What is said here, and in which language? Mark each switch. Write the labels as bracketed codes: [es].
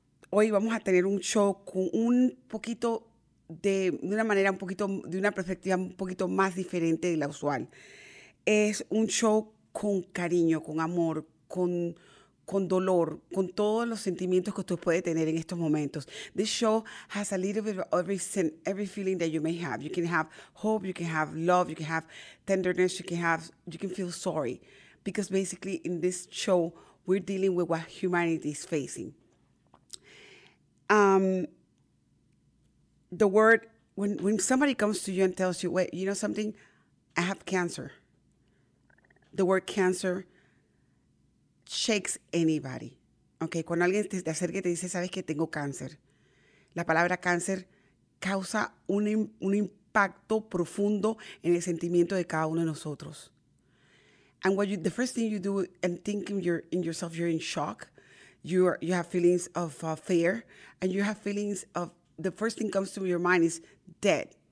[es] Hoy vamos a tener un show con un poquito de una perspectiva un poquito más diferente de la usual. Es un show con cariño, con amor, con dolor, con todos los sentimientos que usted puede tener en estos momentos. [en] This show has a little bit of every feeling that you may have. You can have hope, you can have love, you can have tenderness, you can feel sorry. Because basically in this show, we're dealing with what humanity is facing. The word, when somebody comes to you and tells you, wait, you know something? I have cancer. The word cancer shakes anybody. [es] Okay, cuando alguien te acerca y te dice, sabes que tengo cáncer. La palabra cáncer causa un impacto profundo en el sentimiento de cada uno de nosotros. [en] And what you, the first thing you do and think in yourself, you're in shock. You have feelings of fear and you have feelings of, the first thing comes to your mind is dead.